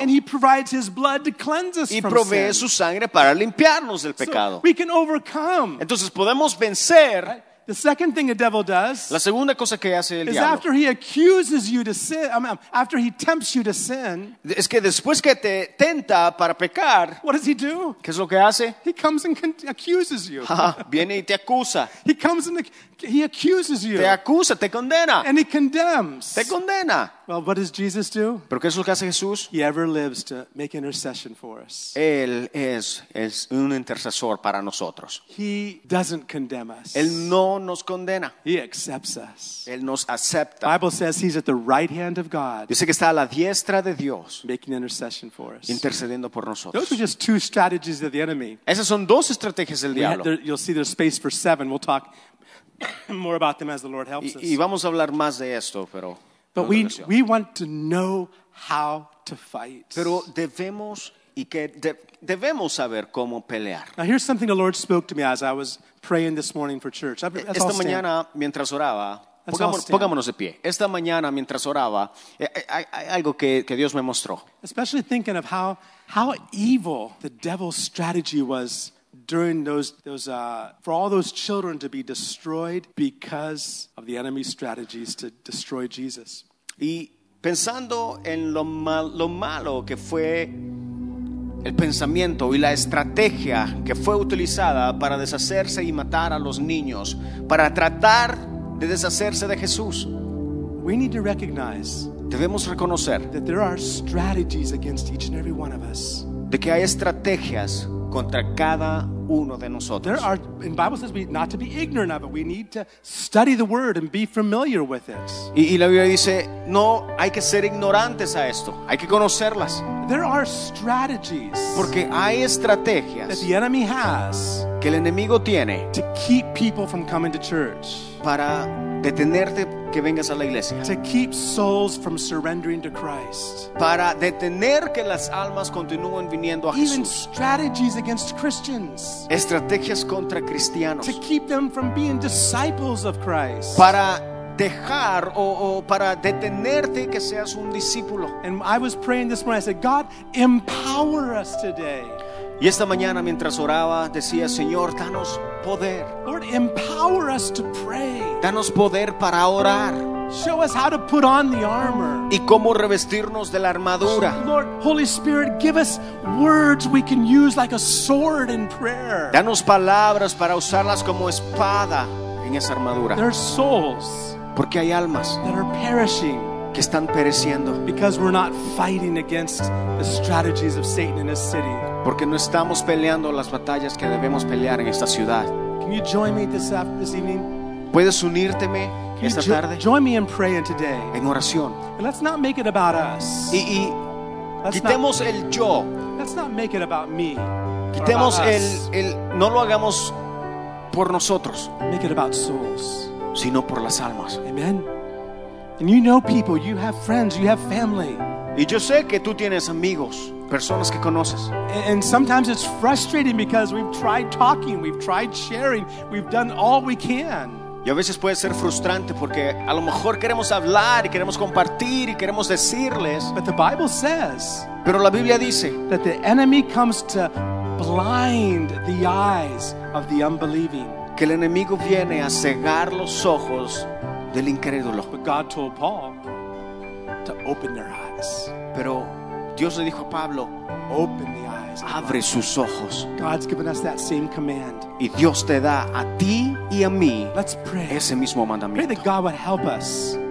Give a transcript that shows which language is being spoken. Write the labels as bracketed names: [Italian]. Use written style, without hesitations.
[English] And he provides his blood to cleanse us [Spanish] y [English] from [Spanish] provee [English] sin. [Spanish] Su sangre para limpiarnos del pecado. [English] So we can overcome. [Spanish] Entonces podemos vencer. [English] Right? The second thing the devil does [Spanish] la segunda cosa que hace el [English] is [Spanish] diablo. [English] After he accuses you to sin, I mean, after he tempts you to sin, [Spanish] es que después que te tenta para pecar, [English] what does he do? [Spanish] ¿Qué es lo que hace? [English] He comes and accuses you. [Spanish] Viene y te acusa. [English] He comes and he accuses you. [Spanish] Te acusa, te condena. [English] And he condemns. [Spanish] Te condena. [English] Well, what does Jesus do? [Spanish] ¿Pero qué es lo que hace Jesús? [English] He ever lives to make intercession for us. [Spanish] Él es un intercesor para nosotros. [English] He doesn't condemn us. [Spanish] Él no nos condena. [English] He accepts us. [Spanish] Él nos acepta. [English] The Bible says he's at the right hand of God. [Spanish] Dice que está a la diestra de Dios. [English] Making intercession for us. [Spanish] Intercediendo por nosotros. [English] Those are just two strategies of the enemy. [Spanish] Esas son dos estrategias del diablo. [English] You'll see there's space for seven. We'll talk more about them as the Lord helps us. [Spanish] Y vamos a hablar más de esto, pero... [English] But we want to know how to fight. [Spanish] Pero debemos y que debemos saber cómo pelear. [English] Now here's something the Lord spoke to me as I was praying this morning for church. [Spanish] Esta mañana mientras oraba, pongámonos de pie. Esta mañana mientras oraba, hay algo que Dios me mostró. [English] Especially thinking of how evil the devil's strategy was during those for all those children to be destroyed because of the enemy's strategies to destroy Jesus. [Spanish] Y pensando en lo malo que fue el pensamiento y la estrategia que fue utilizada para deshacerse y matar a los niños, para tratar de deshacerse de Jesús. [English] We need to recognize [Spanish] debemos reconocer [English] that there are strategies against each and every one of us. [Spanish] De que hay estrategias contra cada uno de nosotros. [English] There are, in Bible says, we not to be ignorant of it. We need to study the word and be familiar with it. [Spanish] Y la Biblia dice, no, hay que ser ignorantes a esto. Hay que conocerlas. [English] There are strategies. [Spanish] Porque hay estrategias [English] that the enemy has [Spanish] que el enemigo tiene [English] to keep people from coming to church. [Spanish] Para detenerte que vengas a la iglesia. [English] To keep souls from surrendering to Christ. [Spanish] Para detener que las almas continúen viniendo a [English] Even [Spanish] Jesús. [English] Even strategies against Christians. [Spanish] Estrategias contra cristianos. [English] To keep them from being disciples of Christ. [Spanish] Para dejar o para detenerte que seas un discípulo. [English] And I was praying this morning. I said, God, empower us today. [Spanish] Y esta mañana mientras oraba decía, Señor, danos poder. [English] Lord, empower us to pray. [Spanish] Danos poder para orar. [English] Show us how to put on the armor. [Spanish] Y cómo revestirnos de la armadura. [English] Lord, Holy Spirit, give us words we can use like a sword in prayer. [Spanish] Danos palabras para usarlas como espada en esa armadura. [English] There are souls. [Spanish] Porque hay almas. [English] That are perishing. [Spanish] Que están pereciendo. [English] Because we're not fighting against the strategies of Satan in this city. [Spanish] Porque no estamos peleando las batallas que debemos pelear en esta ciudad. [English] Can you join me this evening? [Spanish] ¿Puedes unirteme esta tarde? [English] Join me in praying today. [Spanish] En oración. [English] And let's not make it about us. [Spanish] Y [English] let's [Spanish] quitemos [English] not, [Spanish] el yo. [English] Let's not make it about me. [Spanish] Quitemos [English] about [Spanish] el no lo hagamos por nosotros. [English] Make it about souls. [Spanish] Sino por las almas. [English] Amen. And you know people, you have friends, you have family. [Spanish] Y yo sé que tú tienes amigos, personas que conoces. [English] And sometimes it's frustrating because we've tried talking, we've tried sharing, we've done all we can. [Spanish] Y a veces puede ser frustrante porque a lo mejor queremos hablar y queremos compartir y queremos decirles. [English] But the Bible says, [Spanish] pero la Biblia dice, [English] that the enemy comes to blind the eyes of the unbelieving. [Spanish] Que el enemigo viene a cegar los ojos del incrédulo. [English] But God told Paul to open their eyes. [Spanish] Pero Dios le dijo a Pablo, [English] open the eyes. [Spanish] Abre sus ojos. [English] God's given us that same command. [Spanish] Y Dios te da a ti y a mí. [English] Let's pray. [Spanish] Ese mismo mandamiento. [English] Pray that God would help us.